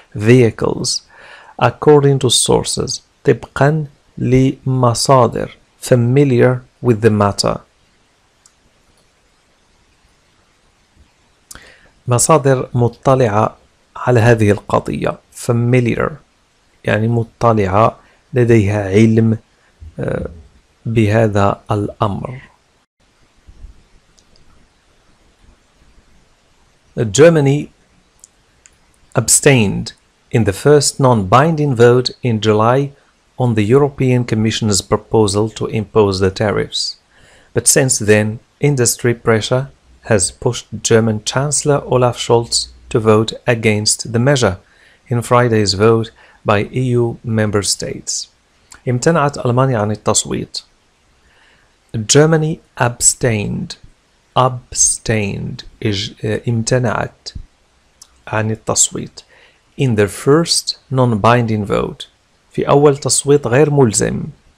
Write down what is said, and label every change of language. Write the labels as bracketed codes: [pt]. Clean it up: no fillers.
[en] vehicles according to sources، [ar] طبقا لمصادر [en] familiar with the matter، [ar] مصادر مطلعة على هذه القضية. familiar يعني مطلعة، لديها علم بهذا الأمر. [en] Germany abstained in the first non-binding vote in July on the European Commission's proposal to impose the tariffs. But since then, industry pressure has pushed German Chancellor Olaf Scholz to vote against the measure in Friday's vote by EU member states. [ar] امتنعت ألمانيا عن التصويت. [en] Germany abstained [ar] امتنعت عن التصويت [en] in the first non-binding vote، [ar] في أول تصويت غير ملزم.